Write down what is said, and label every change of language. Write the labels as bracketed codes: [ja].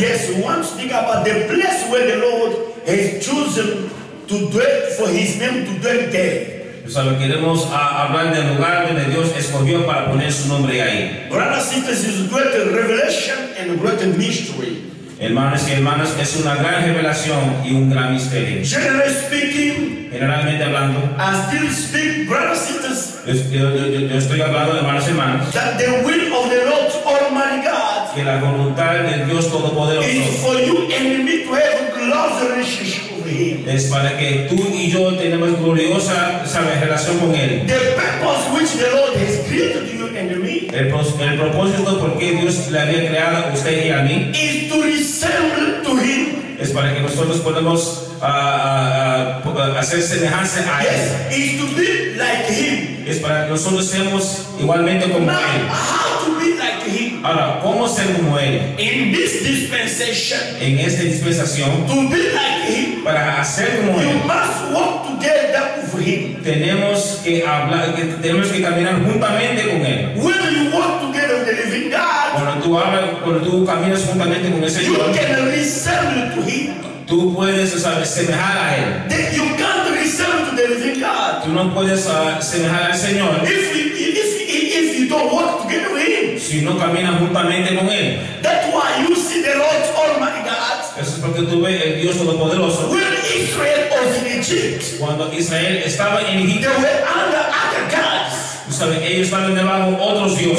[en] Yes, we want to speak about the place where the Lord has chosen to dwell for His name to dwell there. [es] O sea, queremos hablar del lugar donde Dios escogió para poner su nombre ahí. [en] Brother, sisters, is great revelation and great mystery. [es] Hermanos y hermanas, es una gran revelación y un gran misterio. [en] Generally speaking, [es] generalmente hablando, [en] I still speak, brothers, sisters. [es] Yo estoy hablando de hermanos y hermanas. [en] That the will of the Lord Almighty God, [es] que la voluntad de Dios Todopoderoso, [en] is for you and me to have close relationship with Him. [es] Es para que tú y yo tenemos gloriosa, sabes, relación con Él. [en] The purpose which the Lord has created you and me. [es] El propósito por qué Dios le había creado a usted y a mí [en] is to resemble to Him. [es] Es para que nosotros podamos hacer semejanza a él. [en] Yes, is to be like him. [es] Es para que nosotros seamos igualmente como [en] now, [es] él. [en] How to be like him? [es] Ahora, ¿cómo ser como él? [en] In this dispensation. [es] En esta dispensación. [en] To be like him. [es] Para hacer como [en] you [es] él. [en] You must walk together with him. [es] Tenemos que hablar, que tenemos que caminar juntamente con él. [en] When you walk together with the living God. [es] Cuando tú caminas juntamente con ese [en] you can resemble to him. [es] Tú puedes semejar a él. [en] Then you can't resemble to the living God. [es] Tú no puedes semejar al Señor. [en] If you don't walk together with him. [es] Si no caminas juntamente con él. [en] That's why you see the Lord Almighty God. [es] Eso es porque tú ves el Dios Todopoderoso. [en] When Israel was in Egypt. [es] Cuando Israel estaba en Egipto. [en] They were under other gods. [es] Tú sabes, ellos estaban debajo de otros dioses.